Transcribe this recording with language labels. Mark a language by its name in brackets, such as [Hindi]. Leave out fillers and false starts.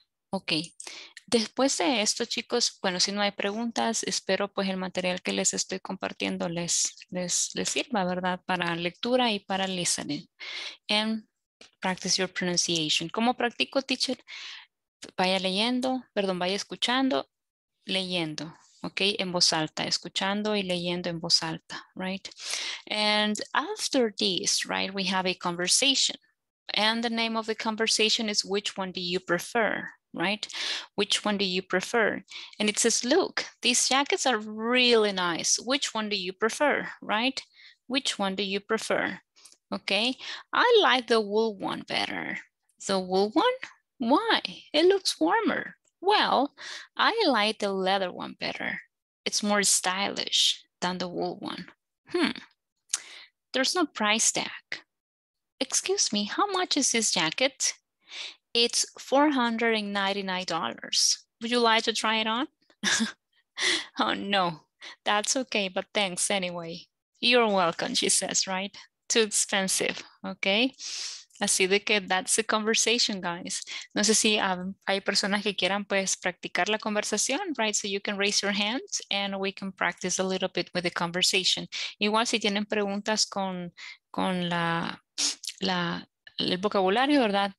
[Spanish] Ok. Después de esto, chicos, bueno, si no hay preguntas, espero pues el material que les estoy compartiendo les sirva, ¿verdad? Para lectura y para listening. [English] And practice your pronunciation. [Spanish] ¿Cómo practico, teacher? Vaya leyendo, perdón, vaya escuchando, leyendo, ok, en voz alta, escuchando y leyendo en voz alta, right? [English] And after this, right, we have a conversation. And the name of the conversation is which one do you prefer, right? Which one do you prefer? And it says, look, these jackets are really nice. Which one do you prefer, right? Which one do you prefer? Okay, I like the wool one better. The wool one? Why? It looks warmer. Well, I like the leather one better. It's more stylish than the wool one. There's no price tag. Excuse me, how much is this jacket? It's $499. Would you like to try it on? Oh no, that's okay, but thanks anyway. You're welcome, she says, right? Too expensive, okay? [Spanish] Así de que [English] that's the conversation, guys. [Spanish] No sé si hay personas que quieran pues practicar la conversación, right? [English] So you can raise your hands and we can practice a little bit with the conversation. [Spanish] Igual si tienen preguntas con el vocabulario, ¿verdad?